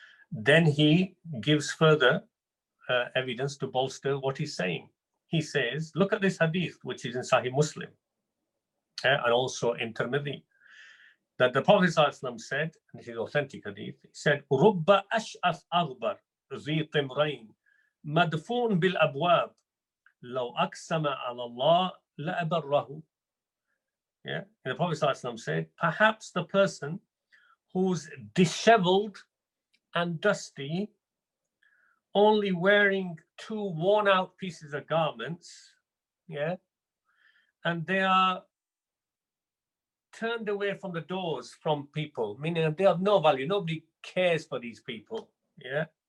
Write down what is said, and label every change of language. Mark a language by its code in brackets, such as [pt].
[en] Then he gives further evidence to bolster what he's saying. He says, look at this hadith, which is in Sahih Muslim, yeah, and also in Tirmidhi, that the Prophet ﷺ said, and this is authentic hadith, he said, [ar] Rubba ash'af aghbar zi timrain. مدفون بالأبواب لو أقسم على الله لأبرهُ. [en] Yeah, and the Prophet ﷺ said, perhaps the person who's disheveled and dusty, only wearing two worn out pieces of garments, yeah, and they are turned away from the doors from people, meaning they have no value, nobody cares for these people, yeah.